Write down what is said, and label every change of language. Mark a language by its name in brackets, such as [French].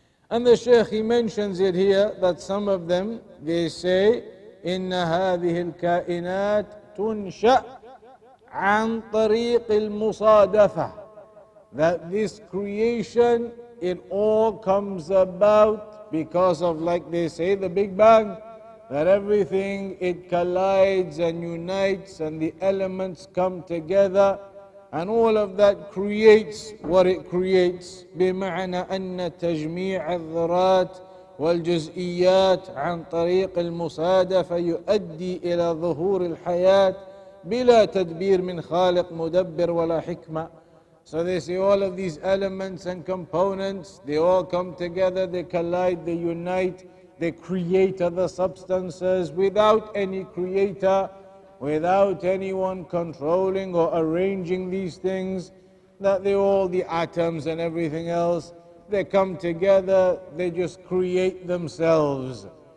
[English] And the Shaykh, he mentions it here, that some of them, they say, [Arabic] إِنَّ هَذِهِ الْكَائِنَاتِ تُنْشَأْ عَنْ طَرِيقِ الْمُصَادَفَةِ, [English] that this creation, it all comes about because of, like they say, the Big Bang, that everything, it collides and unites and the elements come together, and all of that creates what it creates. [Arabic] بِمَعْنَى أَنَّ تَجْمِيعَ الذَّرَاتِ والجزئيات عن طريق المصادفة يؤدي إلى ظهور الحياة بلا تدبير من خالق مدبر ولا حكمة. [English] So they say all of these elements and components, they all come together, they collide, they unite, they create other substances without any creator, without anyone controlling or arranging these things, that they all, the atoms and everything else, they come together, they just create themselves.